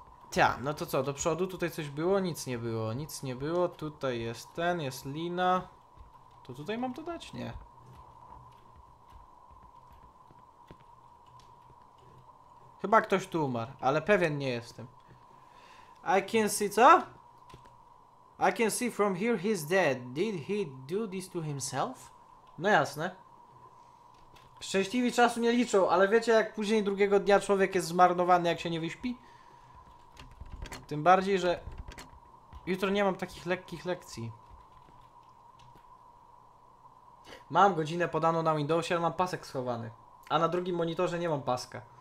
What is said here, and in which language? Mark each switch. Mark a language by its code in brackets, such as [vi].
[pl] Tia, no to co, do przodu tutaj coś było? Nic nie było, nic nie było. Tutaj jest ten, jest lina. To tutaj mam to dać? Nie. Chyba ktoś tu umarł, ale pewien nie jestem. [en] I can see, [pl] co? [en] I can see from here he's dead. Did he do this to himself? [pl] No jasne. Szczęśliwi czasu nie liczą, ale wiecie, jak później drugiego dnia człowiek jest zmarnowany, jak się nie wyśpi? Tym bardziej, że jutro nie mam takich lekkich lekcji. Mam godzinę podaną na Windowsie, ale mam pasek schowany. A na drugim monitorze nie mam paska.